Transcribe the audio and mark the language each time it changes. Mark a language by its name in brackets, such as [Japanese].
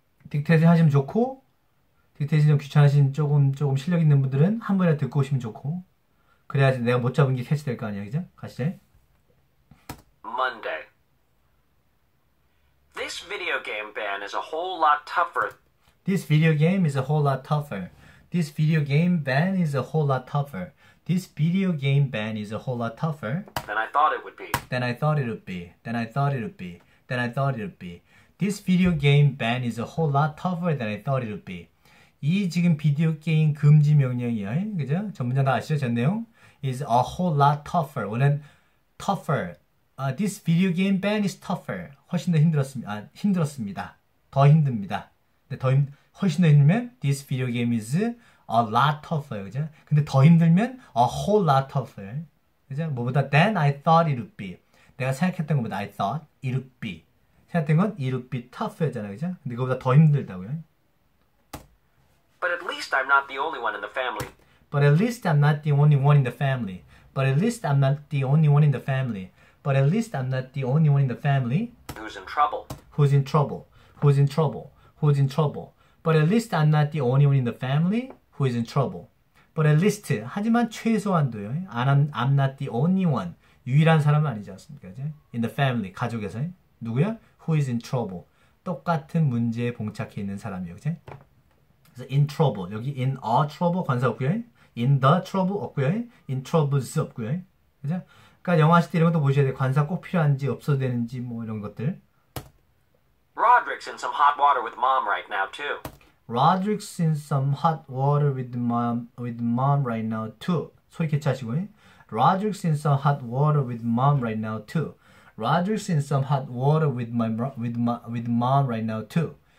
[Korean] 딕테이션 하시면 좋고, 딕테이션 좀 귀찮으신 조금 실력 있는 분들은 한 번에 듣고 오시면 좋고, 그래야지 내가 못 잡은 게 캐치될 거 아니야, 그죠? 가시죠. [English] Monday. This video game ban is a whole lot tougher. This video game is a whole lot tougher. This video game ban is a whole lot tougher. This video game ban is a whole lot tougher Than I thought it would be. than I thought it would be. Than I thought it would be. Than I thought it would be. This video game ban is a whole lot tougher than I thought it would be. [Korean] 이 지금 비디오 게임 금지 명령이야, 그죠? 전문자 다 아시죠? 전 내용? [English] Is a whole lot tougher. [Korean] 원래는 tougher. [English] This video game ban is tougher. [Korean] 훨씬 더 힘들었습니다. 아, 힘들었습니다. 더 힘듭니다. 근데 훨씬 더 힘들면 [English] this video game is a lot tougher, [Korean] 그죠? 근데 더 힘들면 [English] a whole lot tougher, [Korean] 그죠? 뭐보다 [English] than I thought it would be. [Korean] 내가 생각했던 것보다 [English] I thought it would be. [Korean] 생각했던 건 [English] it would be tougher잖아요, 그죠? [Korean] 근데 그거보다 더 힘들다고요. [English] But at least I'm not the only one in the family. But at least I'm not the only one in the family. But at least I'm not the only one in the family. But at least I'm not the only one in the family Who's in trouble? who's in trouble. Who's in trouble? Who's in trouble? But at least I'm not the only one in the family who is in trouble. But at least, [Korean] 하지만 최소한도요. [English] I'm not the only one. [Korean] 유일한 사람은 아니지 않습니까? 그죠? [English] In the family, [Korean] 가족에서. 누구야? [English] Who is in trouble. [Korean] 똑같은 문제에 봉착해 있는 사람이요. 그죠? 그래서 in trouble. 여기 in a trouble 관사 없고요. [English] In the trouble [Korean] 없고요. [English] In troubles 없고요. [Korean] 그죠? 그러니까 영화 하실 때 이런 것도 보셔야 돼요. 관사 꼭 필요한지 없어도 되는지 뭐 이런 것들. [English] Roderick's in some hot water with mom right now, too. Roderick's in some hot water with mom right now too. [Korean] 소리 캐치하시고요. [English] Roderick's in some hot water with mom right now too. Roderick's in some hot water with mom right now too.